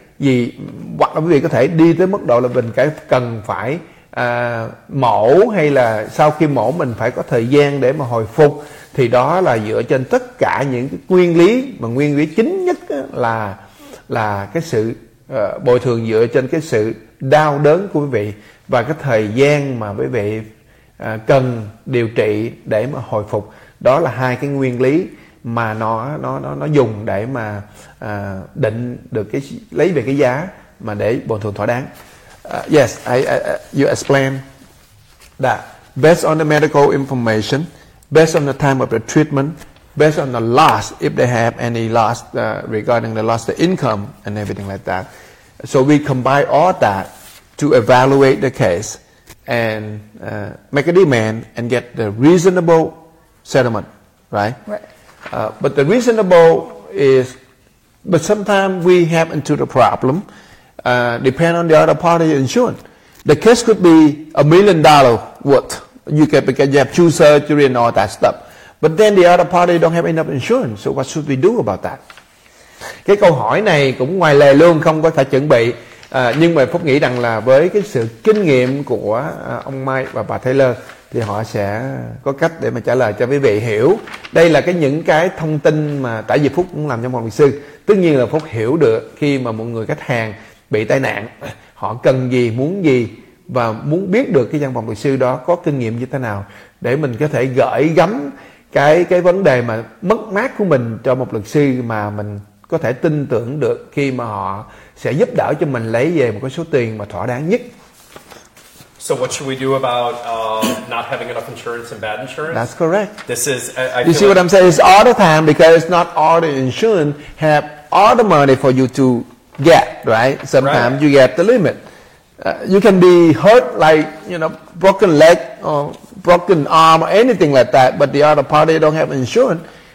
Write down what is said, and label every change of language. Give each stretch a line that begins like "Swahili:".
Vietnamese: vì hoặc là quý vị có thể đi tới mức độ là mình cái cần phải mổ, hay là sau khi mổ mình phải có thời gian để mà hồi phục, thì đó là dựa trên tất cả những cái nguyên lý, mà nguyên lý chính nhất là cái sự bồi thường dựa trên cái sự đau đớn của quý vị và cái thời gian mà quý vị cần điều trị để mà hồi phục. Đó là hai cái nguyên lý mà nó dùng để mà định được cái lấy về cái giá mà để bồi thường thỏa đáng.
English: Yes, you explain that based on the medical information, based on the time of the treatment, based on the loss, if they have any loss regarding the loss of the income and everything like that. So we combine all that to evaluate the case and make a demand and get the reasonable settlement, right? Right. But the reasonable is, but sometimes we have into the problem, depend on the other party insurance. The case could be $1 million worth. You can, because you have two surgery and all that stuff. But then the other party don't have enough insurance. So what should we do about that?
Vietnamese: Cái câu hỏi này cũng ngoài lề luôn, không có thể chuẩn bị. Nhưng mà Phúc nghĩ rằng là với cái sự kinh nghiệm của ông Mike và bà Taylor thì họ sẽ có cách để mà trả lời cho quý vị hiểu. Đây là cái những cái thông tin mà tại vì Phúc cũng làm trong phòng luật sư. Tất nhiên là Phúc hiểu được khi mà một người khách hàng bị tai nạn, họ cần gì, muốn gì và muốn biết được cái văn phòng luật sư đó có kinh nghiệm như thế nào để mình có thể gửi gắm cái vấn đề mà mất mát của mình cho một luật sư mà mình có thể tin tưởng được khi mà họ sẽ giúp đỡ cho mình lấy về một cái số tiền mà thỏa đáng nhất.
English: So what should we do about not having enough insurance and bad insurance? That's correct. This is you see what I'm saying? It's all the time because not all the insurance have all the money for you to get, right? Sometimes you get the limit. You can be hurt, like, you know, broken leg or broken arm or anything like that, but the other party don't have insurance.